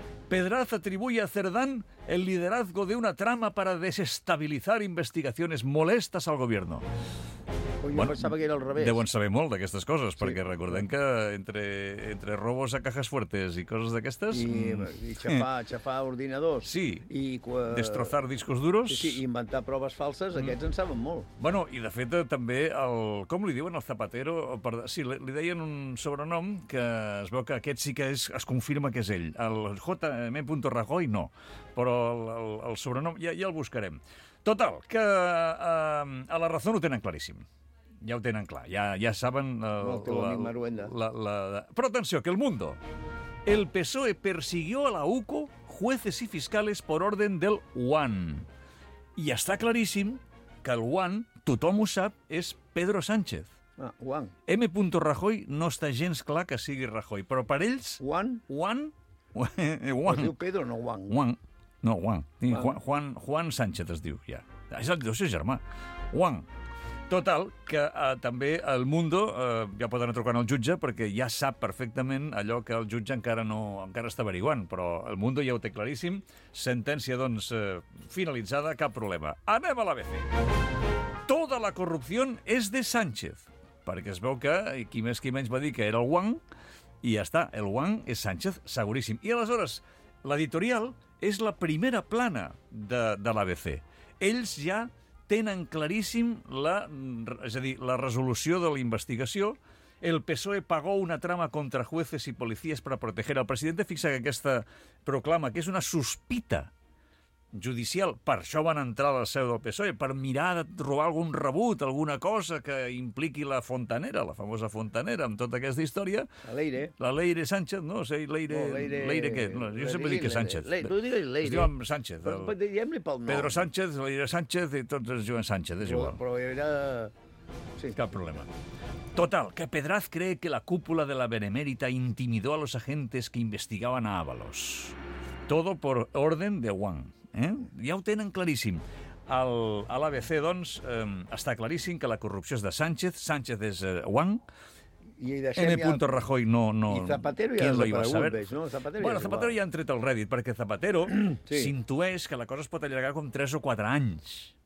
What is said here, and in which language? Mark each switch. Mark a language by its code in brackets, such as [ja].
[es] Pedraz atribuye a Cerdán el liderazgo de una trama para desestabilizar investigaciones molestas al gobierno. [ca] Bueno, pensava que era al revés. Deuen saber molt d'aquestes coses, sí, perquè recordem que entre [es] robos a cajas fuertes [ca] i coses d'aquestes... I xafar ordinadors. Sí, i [es] destrozar discos duros. [ca] Sí, inventar proves falses, aquests en saben molt. Bueno, i de fet també, com li diuen al Zapatero? Li deien un sobrenom que es veu que aquest sí que és, es confirma que és ell. El J.M. Rajoy no, però el sobrenom ja el buscarem. Total, que a la Razón ho tenen claríssim. Ja ho tenen clar, ja saben... Però atenció, que El Mundo. [es] El PSOE persiguió a la UCO jueces y fiscales por orden del UAN. [ca] I està claríssim que el UAN, tothom ho sap, és Pedro Sánchez. Ah, UAN. M. Rajoy no està gens clar que sigui Rajoy, però per ells... UAN? UAN. Es diu Pedro, no UAN. UAN. No, UAN. Juan Sánchez es diu, ja. És el seu germà. UAN. Total, que també El Mundo ja pot anar trucant al jutge perquè ja sap perfectament allò que el jutge encara està averiguant, però El Mundo ja ho té claríssim. Sentència, doncs, finalitzada, cap problema. Anem a l'ABC. [es] Toda la corrupción es de Sánchez. [ca] Perquè es veu que qui més qui menys va dir que era el Wang i ja està, el Wang és Sánchez, seguríssim. I aleshores, l'editorial és la primera plana de l'ABC. Ells ja tenen claríssim la resolució de la investigació. [es] El PSOE pagó una trama contra jueces y policías para proteger al presidente. [ca] Fixa que aquesta proclama, que és una sospita, judicial. Per això van entrar a la seu del PSOE, per mirar de trobar algun rebut, alguna cosa que impliqui la Fontanera, la famosa Fontanera, amb tota aquesta història. La Leire. La Leire Sánchez, no? Sí, Leire... No, Leire què? No, jo sempre dic que Sánchez. Tu digues Leire. Es diuen Sánchez. Diguem-li pel nom. Pedro Sánchez, Leire Sánchez, i tots es diuen Sánchez, és igual. Però era... Sí. Cap problema. Total, que [es] Pedraz cree que la cúpula de la Benemérita intimidó a los agentes que investigaban a Ábalos. Todo por orden de Juan. ¿Eh? [ca] Ja ho tenen claríssim. A l'ABC, doncs, està claríssim que la corrupció és de Sánchez, Sánchez és Juan. N. Ja... Rajoy no... I Zapatero ja no hi va saber. No? Zapatero, bueno, Zapatero ja ha tret el rèdit, perquè Zapatero s'intueix que la cosa es pot allargar com 3 o 4 anys.